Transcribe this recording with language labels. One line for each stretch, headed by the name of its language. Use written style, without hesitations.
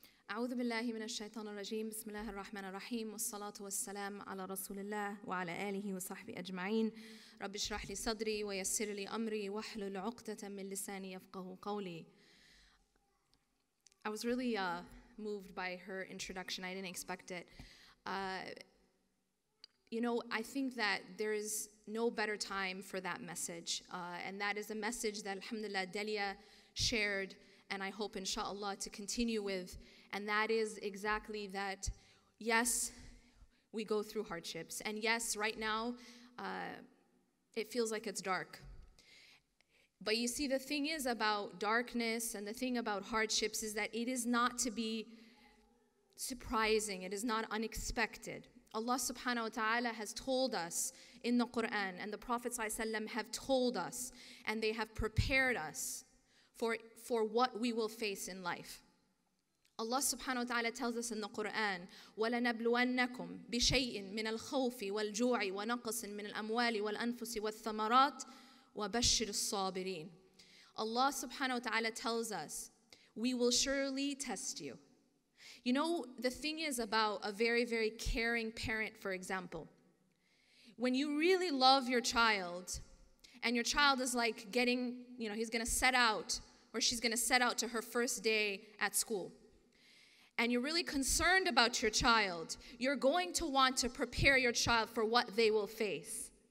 Arabic: أعوذ بالله من الشيطان الرجيم. بسم الله الرحمن الرحيم، والصلاة والسلام على رسول الله وعلى آله وصحبه أجمعين. رب اشرح لي صدري ويسر لي أمري واحلل عقدة من لساني يفقه قولي.
English: I was really moved by her introduction. I didn't expect it. You know, I think that there is no better time for that message. And that is a message that, alhamdulillah, Delia shared, and I hope, inshallah, to continue with. And that is exactly that, yes, we go through hardships. And yes, right now, it feels like it's dark. But you see, the thing is about darkness and the thing about hardships is that it is not to be surprising. It is not unexpected. Allah subhanahu wa ta'ala has told us in the Quran, and the Prophet ﷺ have told us, and they have prepared us for what we will face in life. Allah subhanahu wa ta'ala tells us in the Quran,
Arabic: وَلَنَبْلُوَنَّكُمْ بِشَيْءٍ مِنَ الْخَوْفِ وَالْجُوعِ وَنَقْصٍ مِنَ الْأَمْوَالِ وَالْأَنفُسِ وَالثَّمَرَاتِ وَبَشِّرِ الصَّابِرِينَ.
English: Allah subhanahu wa ta'ala tells us, we will surely test you. You know, the thing is about a very, very caring parent, for example. When you really love your child, and your child is like getting, you know, he's going to set out, or she's going to set out to her first day at school, and you're really concerned about your child, you're going to want to prepare your child for what they will face.